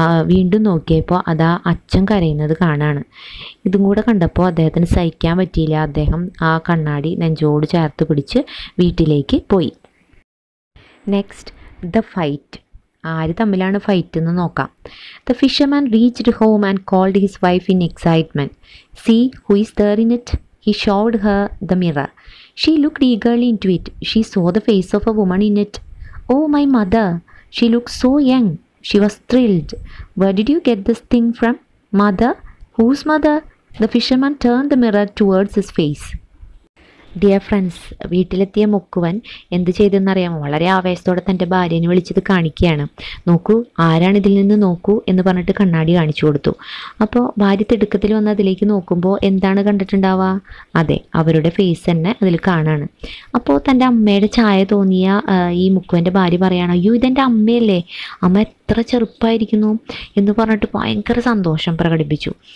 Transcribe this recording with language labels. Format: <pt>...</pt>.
<ml>വീണ്ടും നോക്കിയപ്പോൾ അതാ അച്ഛൻ കരയുന്നത് കാണാണ്. ഇതും കൂടെ കണ്ടപ്പോൾ അദ്ദേഹത്തിന് സഹിക്കാൻ പറ്റിയില്ല. അദ്ദേഹം ആ കണ്ണാടി നെഞ്ചോട് ചേർത്ത് പിടിച്ച് വീട്ടിലേക്ക് പോയി.</ml> <en>Next, the fight.</en> <ml>ആര് തമ്മിലാണ് ഫൈറ്റ് എന്ന് നോക്കാം.</ml> <en>The fisherman reached home and called his wife in excitement. See who is there in it. He showed her the mirror. She looked eagerly into it. She saw the face of a woman in it. Oh, my mother, she looked so young. She was thrilled. Where did you get this thing from? Mother? Whose mother? The fisherman turned the mirror towards his face. Dear friends,</en> <ml>വീട്ടിലെത്തിയ മുക്കുവൻ എന്ത് ചെയ്തെന്നറിയാമോ? വളരെ ആവേശത്തോടെ തൻ്റെ ഭാര്യനെ വിളിച്ചത് കാണിക്കുകയാണ്. നോക്കൂ, ആരാണ് ഇതിൽ നിന്ന് നോക്കൂ എന്ന് പറഞ്ഞിട്ട് കണ്ണാടി കാണിച്ചു കൊടുത്തു. അപ്പോൾ ഭാര്യ തിടുക്കത്തിൽ വന്ന് അതിലേക്ക് നോക്കുമ്പോൾ എന്താണ് കണ്ടിട്ടുണ്ടാവുക? അതെ, അവരുടെ ഫേസ് തന്നെ അതിൽ കാണാണ്. അപ്പോൾ തൻ്റെ അമ്മയുടെ ചായ തോന്നിയ ഈ മുക്കുവൻ്റെ ഭാര്യ പറയുകയാണ്, അയ്യോ, ഇതെൻ്റെ അമ്മയല്ലേ, അമ്മ എത്ര ചെറുപ്പമായിരിക്കുന്നു എന്ന് പറഞ്ഞിട്ട് ഭയങ്കര സന്തോഷം പ്രകടിപ്പിച്ചു.</ml>